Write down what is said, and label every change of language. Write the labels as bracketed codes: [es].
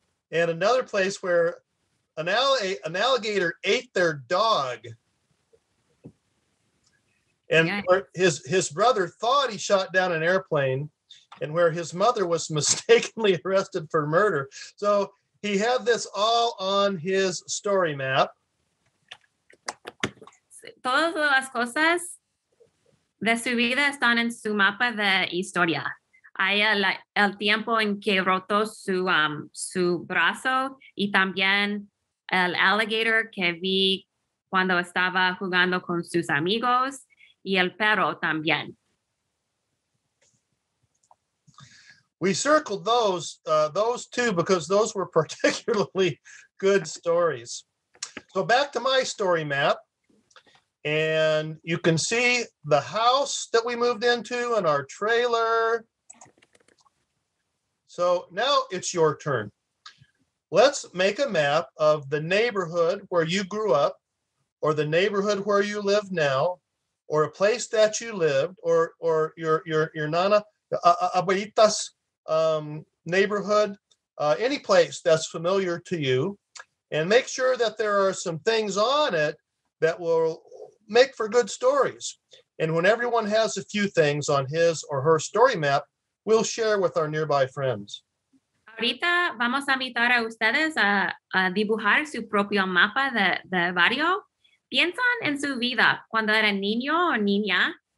[en] And another place where an alligator ate their dog. And where his brother thought he shot down an airplane, and where his mother was mistakenly arrested for murder. So he had this all on his story map. [es] Todas las cosas de su vida están en su mapa de historia. Hay el tiempo en que rotó su su brazo y también el alligator que vi cuando estaba jugando con sus amigos y el perro también. [en] We circled those two because those were particularly good stories. So back to my story map. And you can see the house that we moved into and our trailer. So now it's your turn. Let's make a map of the neighborhood where you grew up, or the neighborhood where you live now, or a place that you lived, or your nana, abuelita's neighborhood, any place that's familiar to you, and make sure that there are some things on it that will make for good stories. And when everyone has a few things on his or her story map, we'll share with our nearby friends. [es] Ahorita vamos a invitar a ustedes a dibujar su propio mapa de barrio. Piensan en su vida cuando eran niño o niña.